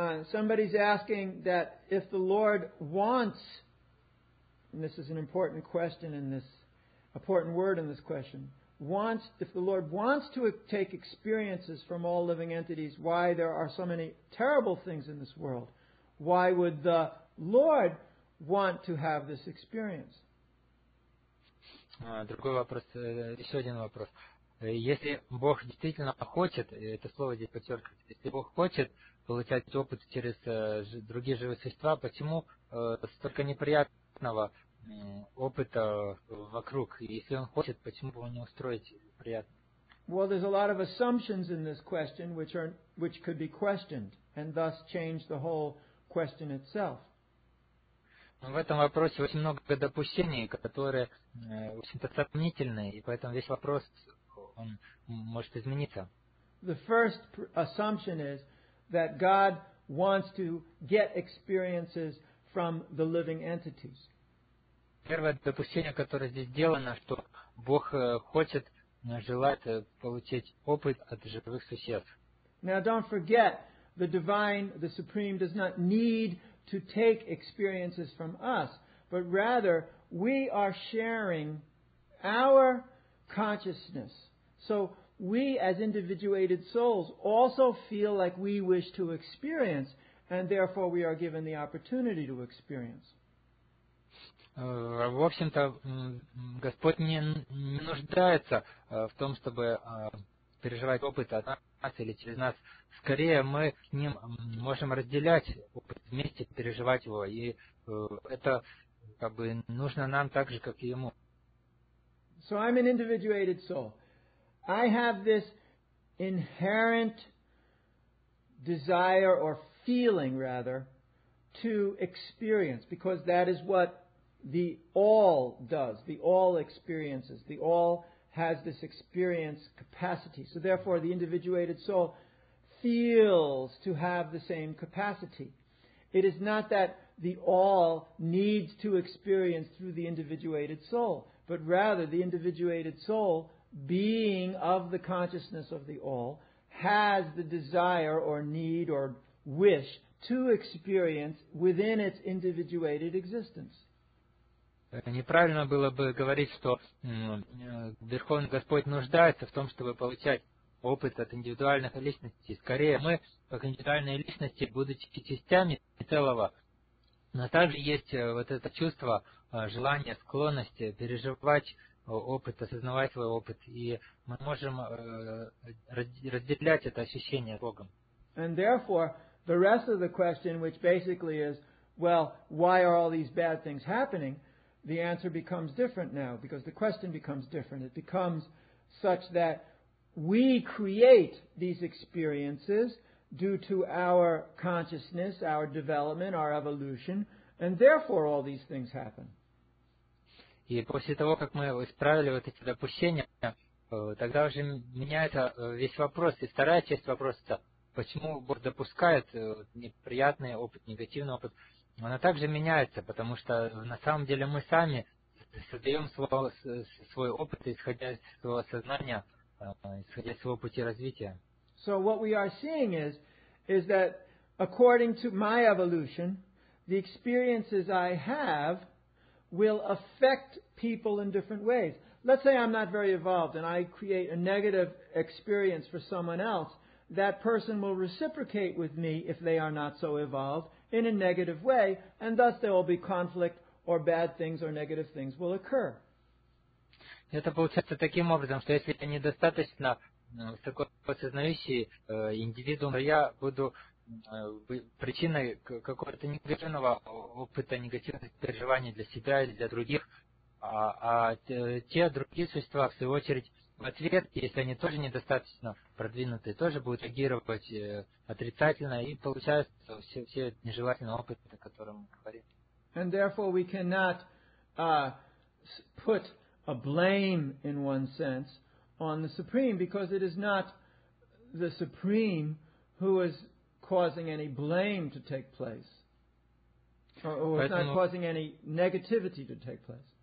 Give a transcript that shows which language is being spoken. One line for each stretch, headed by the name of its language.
English: Somebody's asking that if the Lord wants, and this is an important question in this, important word in this question, wants, if the Lord wants to take experiences from all living entities, why there are so many terrible things in this world? Why would the Lord want to have this experience?
Russian: Другой вопрос, еще один вопрос. Если Бог действительно хочет, это слово здесь подчеркивается, если Бог хочет получать опыт через другие живые существа, почему столько неприятного опыта вокруг? Если он хочет, почему бы не устроить приятное?
English: Well, there's a lot of assumptions in this question which could be questioned and thus change the whole question itself.
Russian: В этом вопросе очень много допущений, которые в общем-то сомнительные, и поэтому весь вопрос он может измениться.
English: The first assumption is that God wants to get experiences from the living entities.
Russian: Первое допущение, которое здесь сделано, что Бог хочет, желает получить опыт от живых существ.
English: Now don't forget, the divine, the supreme does not need to take experiences from us, but rather we are sharing our consciousness. So we as individuated souls also feel like we wish to experience, and therefore we are given the opportunity to experience.
Russian: В общем-то, Господь не нуждается в том, чтобы переживать опыт от нас или через нас. Скорее, мы с Ним можем разделять опыт, вместе переживать его. И это как бы нужно нам так же, как и Ему.
English: So I'm an individuated soul. I have this inherent desire or feeling, rather, to experience, because that is what the all does, the all experiences, the all has this experience capacity. So therefore, the individuated soul feels to have the same capacity. It is not that the all needs to experience through the individuated soul, but rather the individuated soul, being of the consciousness of the all, has the desire or need or wish to experience within its individuated existence.
Russian: Неправильно было бы говорить, что Верховный Господь нуждается в том, чтобы получать опыт от индивидуальных личностей. Скорее, мы, как индивидуальные личности, будучи частями целого, но также есть вот это чувство, желание, склонность переживать опыт, осознавать свой опыт, и мы можем разделять это ощущение с Богом.
English: And therefore, the rest of the question, which basically is, well, why are all these bad things happening? The answer becomes different now, because the question becomes different. It becomes such that we create these experiences due to our consciousness, our development, our evolution, and therefore all these things happen.
Russian: И после того, как мы исправили вот эти допущения, тогда уже меняется весь вопрос, и вторая часть вопроса, почему Бог допускает неприятный опыт, негативный опыт, она также меняется, потому что на самом деле мы сами создаем свой опыт, исходя из своего сознания, исходя из своего пути развития.
English: So what we are seeing is that according to my evolution, the experiences I have will affect people in different ways. Let's say I'm not very evolved and I create a negative experience for someone else, that person will reciprocate with me if they are not so evolved in a negative way, and thus there will be conflict or bad things or negative things will occur.
Russian: Это получается таким образом, что если я недостаточно высокосознающий индивидуум, то я буду причиной какого-то негативного опыта, негативных переживаний для себя или для других, а те другие существа, в свою очередь, в ответ, если они тоже недостаточно продвинутые, тоже будут реагировать отрицательно, и получается все нежелательные опыты, о котором мы говорим.
English: And therefore we cannot put a blame in one sense on the Supreme, because it is not the Supreme who is causing any blame to take place, or it's not causing any negativity to take place.